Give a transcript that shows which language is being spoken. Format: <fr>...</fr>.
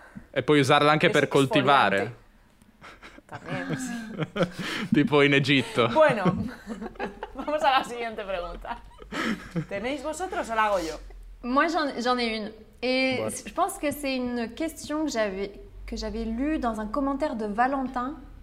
<it>E puoi usarla anche per coltivare.</it> <es>También, sí. Tipo en Egipto. Bueno, vamos a la siguiente pregunta. ¿Tenéis vosotros o la hago yo?</es> <fr>Moi j'en ai une. Et bon. Je pense que c'est une question que j'avais lue dans un commentaire de Valentin.</fr>